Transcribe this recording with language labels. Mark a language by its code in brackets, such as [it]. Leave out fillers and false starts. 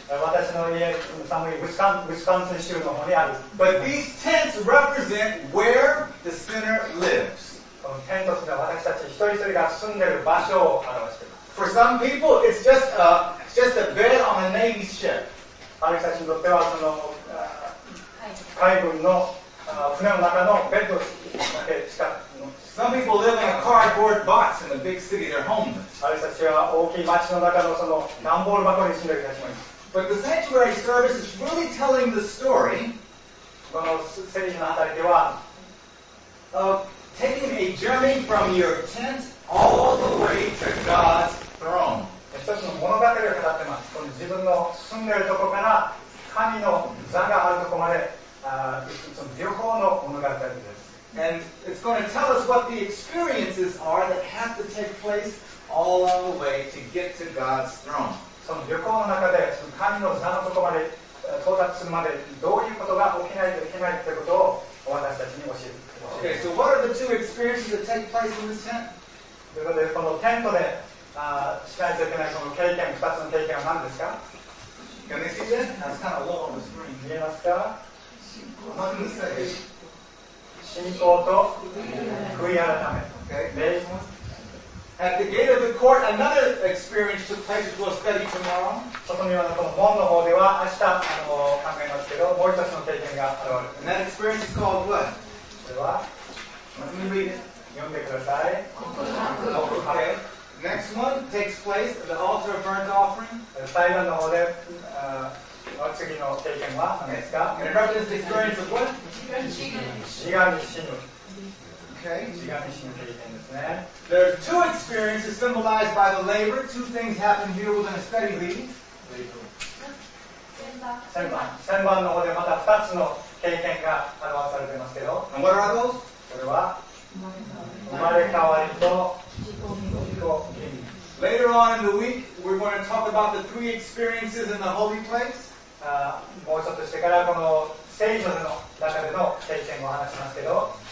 [ja] 私の家、寒いウィスコンシン州の方にある。 [en] But these tents represent where the sinner lives. [ja] このテントというのは私たち一人一人が住んでいる場所を表しています。 [en] For some people, it's just a bed on a Navy ship. [ja] ある人たちにとってはその海軍の船の中のベッドだけしか。 [en] Some people live in a cardboard box in a big city. They're homeless. [ja] ある人たちは大きい町の中のその段ボール箱に住んでいる人たちもいます。 [en] But the sanctuary service is really telling the story. [ja] この聖所のあたりでは、 [en] of taking a journey from your tent all the way to God's throne. [ja] 一つの物語を自分の住んでいるところから神の座があるところまで、その両方の物語です。 [en] And it's going to tell us what the experiences are that have to take place all along the way to get to God's throne. [ja] その旅行の中で、その神の座のところまで到達するまで、どういうことが起きないといけないということを私たちに教えます。 [en] Okay, so what are the two experiences that take place in this tent? [ja] ということで、このテントで、しないといけないその経験、二つの経験は何ですか？ [en] Can you see that? That's kind of low on the screen. [ja] 見えますか？ [en] What is that? [ja] 信仰と悔い改め。 [en] Okay. At the gate of the court, another experience took place which we'll study tomorrow. [ja] そこにはこの門の方では明日考えますけど、もう一つの経験が現れる。 [en] And that experience is called what? [ja] それは、 [en] Let me read it. [ja] 読んでください。告白。 [en] Next one takes place at the altar of burnt offering. [ja] 祭壇の方で、次の経験は何ですか？ [en] And it represents the experience of what? [ja] 自我に死ぬ。 [en] Okay. There are two experiences symbolized by the labor. Two things happen here within a study reading. [ja] 千番の方でまた二つの経験が表されていますけど。 [en] And what are those? [ja] それは生まれ変わりと自己顕現。 [en] Later on in the week, we're going to talk about the three experiences in the holy place. [ja] もうちょっとしてからこの聖所の中での経験を話しますけど。